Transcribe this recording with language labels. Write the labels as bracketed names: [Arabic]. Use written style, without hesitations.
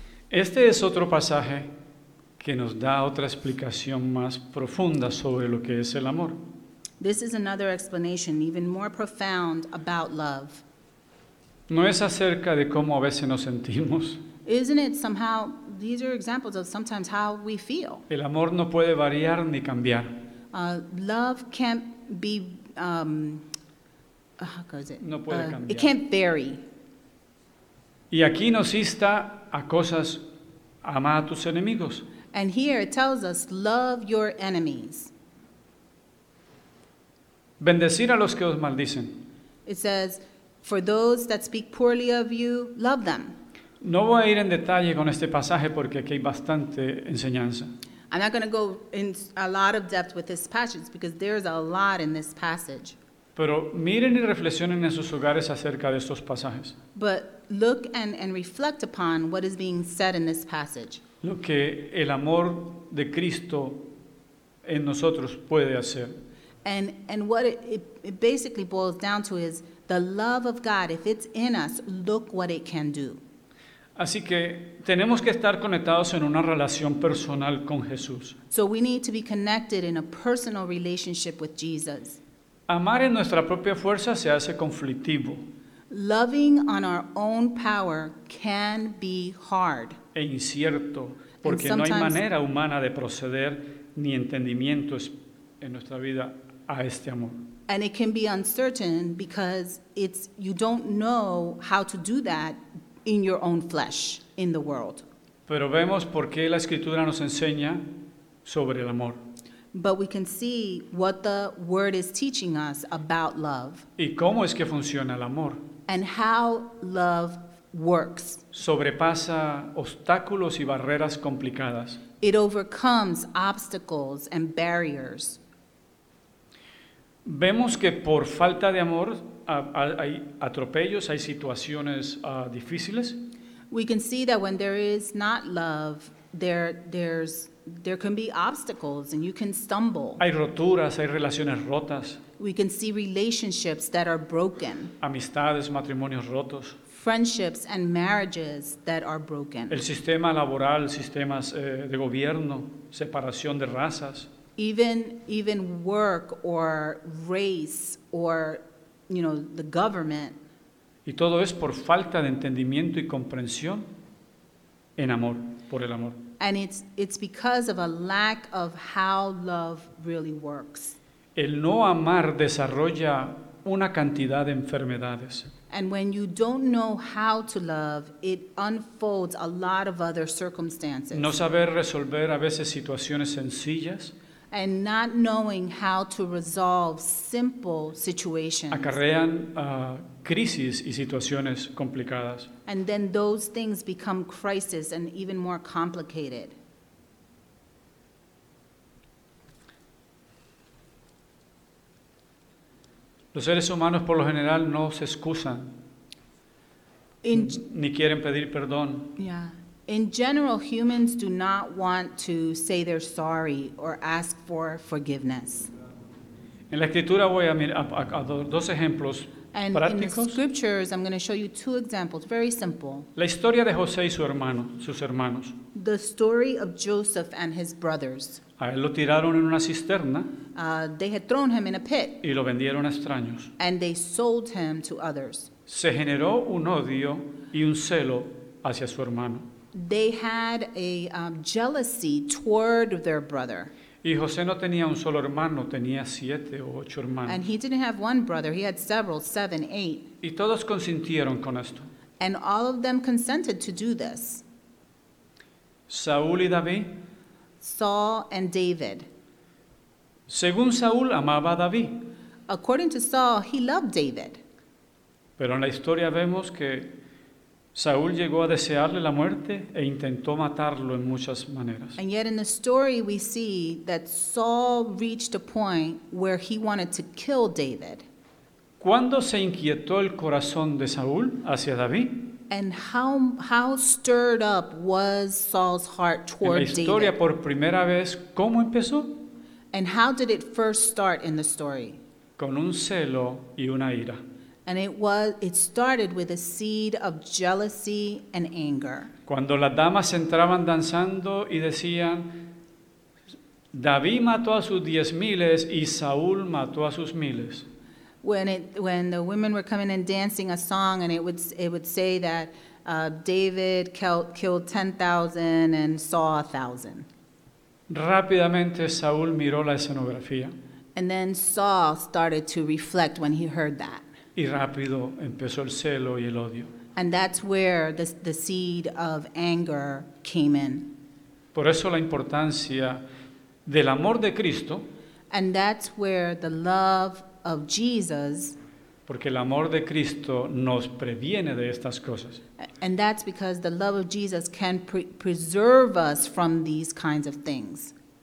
[Spanish] Este es otro pasaje que nos da otra explicación más profunda sobre lo que es el amor. [English] This is another explanation, even more profound, about love. [Spanish] No es acerca de cómo a veces nos sentimos. [English] Isn't it somehow, these are examples of sometimes how we feel. [Spanish] El amor no puede variar ni cambiar. [English] Love can't be, how goes it? [Spanish] No puede cambiar. [English] It can't vary. [Spanish] Y aquí nos insta a cosas, ama a tus enemigos. [English] And here it tells us, love your enemies. [Spanish] Bendecir a los que os maldicen. [English] It says, for those that speak poorly of you, love them. [Spanish] No voy a ir en detalle con este pasaje porque aquí hay bastante enseñanza. [English] I'm not going to go in a lot of depth with this passage because there's a lot in this passage. [Spanish] Pero miren y reflexionen en sus hogares acerca de estos pasajes. [English] But look and reflect upon what is being said in this passage. [Spanish] Lo que el amor de Cristo en nosotros puede hacer. [English] And what it basically boils down to is the love of God, if it's in us, look what it can do. [Spanish] Así que tenemos que estar conectados en una relación personal con Jesús. [English] So we need to be connected in a personal relationship with Jesus. [Spanish] Amar en nuestra propia fuerza se hace conflictivo. [English] Loving on our own power can be hard. [Spanish] E incierto, porque no hay manera humana de proceder ni entendimiento en nuestra vida a este amor. [English] And it can be uncertain because it's you don't know how to do that in your own flesh, in the world. [Spanish] Pero vemos por qué la Escritura nos enseña sobre el amor. [English] But we can see what the Word is teaching us about love. [Spanish] Y cómo es que funciona el amor. [English] And how love works. [Spanish] Sobrepasa obstáculos y barreras complicadas. [English] It overcomes obstacles and barriers. [Spanish] Vemos que por falta de amor hay atropellos, hay situaciones difíciles. [English] We can see that when there is not love, there can be obstacles and you can stumble. [Spanish] Hay roturas, hay relaciones rotas. [English] We can see relationships that are broken. [Spanish] Amistades, matrimonios rotos. [English] Friendships and marriages that are broken. [Spanish] El sistema laboral, sistemas de gobierno, separación de razas. [English] Even work or race or, you know, the government. [Spanish] Y todo es por falta de entendimiento y comprensión en amor, por el amor. [English] And it's because of a lack of how love really works. [Spanish] El no amar desarrolla una cantidad de enfermedades. [English] And when you don't know how to love, it unfolds a lot of other circumstances. [Spanish] No saber resolver a veces situaciones sencillas. [English] And not knowing how to resolve simple situations. [Spanish] Acarrean crisis y situaciones complicadas. [English] And then those things become crisis and even more complicated. [Spanish] Los seres humanos por lo general no se excusan. Ni quieren pedir perdón. [English] Yeah. In general, humans do not want to say they're sorry or ask for forgiveness. [Spanish] En la escritura voy a mirar a dos ejemplos [English] and [Spanish] prácticos. [English] In the scriptures, I'm going to show you two examples, very simple. [Spanish] La historia de José y su hermano, sus hermanos. [English] The story of Joseph and his brothers. [Spanish] A él lo tiraron en una cisterna. [English] They had thrown him in a pit. [Spanish] Y lo vendieron a extraños. [English] And they sold him to others. [Spanish] Se generó un odio y un celo hacia su hermano. [English] They had a jealousy toward their brother. [Spanish] Y José no tenía un solo hermano, tenía siete o ocho hermanos. [English] And he didn't have one brother, he had several, seven, eight. [Spanish] Y todos consintieron con esto. [English] And all of them consented to do this. [Spanish] Saúl y David. [English] Saul and David. [Spanish] Según Saúl, amaba a David. [English] According to Saul, he loved David. [Spanish] Pero en la historia vemos que Saúl llegó a desearle la muerte e intentó matarlo en muchas maneras. [English] And yet in the story we see that Saul reached a point where he wanted to kill David. [Spanish] ¿Cuándo se inquietó el corazón de Saúl hacia David? [English] And how stirred up was Saul's heart toward David? [Spanish] En la historia [English] David? [Spanish] Por primera vez, ¿cómo empezó? [English] And how did it first start in the story? [Spanish] Con un celo y una ira. [English] And it started with a seed of jealousy and anger. [Spanish] Cuando las damas entraban danzando y decían, David mató a sus 10,000 y Saúl mató a sus miles. [English] When the women were coming and dancing a song, and it would say that David killed 10,000 and saw 1,000. [Spanish] Rápidamente Saúl miró la escenografía. [English] And then Saul started to reflect when he heard that. [Spanish] Y rápido empezó el celo y el odio. [English] And that's where the seed of anger came in. [Spanish] Por eso la importancia del amor de Cristo. [English] And that's where the love of Jesus. [Spanish] Porque el amor de Cristo nos previene de estas cosas. [English] And that's because the love of Jesus can preserve us from these kinds of things.